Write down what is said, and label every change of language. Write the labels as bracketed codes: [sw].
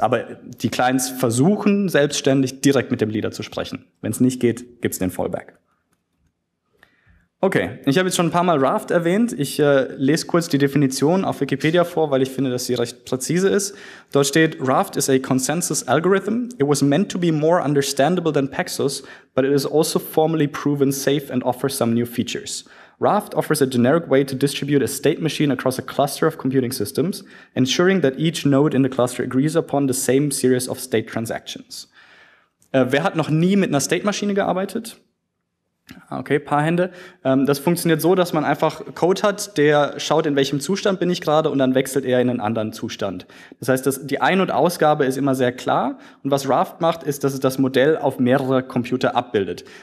[de] Aber die Clients versuchen selbstständig direkt mit dem Leader zu sprechen. Wenn es nicht geht, gibt es den Fallback. Okay, ich habe jetzt schon ein paar Mal Raft erwähnt. Ich lese kurz die Definition auf Wikipedia vor, weil ich finde, dass sie recht präzise ist. Dort steht, [en] Raft is a consensus algorithm. It was meant to be more understandable than Paxos, but it is also formally proven safe and offers some new features. Raft offers a generic way to distribute a state machine across a cluster of computing systems, ensuring that each node in the cluster agrees upon the same series of state transactions. [de] Wer hat noch nie mit einer State-Maschine gearbeitet? Okay, paar Hände. Das funktioniert so, dass man einfach Code hat, der schaut, in welchem Zustand bin ich gerade und dann wechselt er in einen anderen Zustand. Das heißt, die Ein- und Ausgabe ist immer sehr klar und was Raft macht, ist, dass es das Modell auf mehrere Computer abbildet.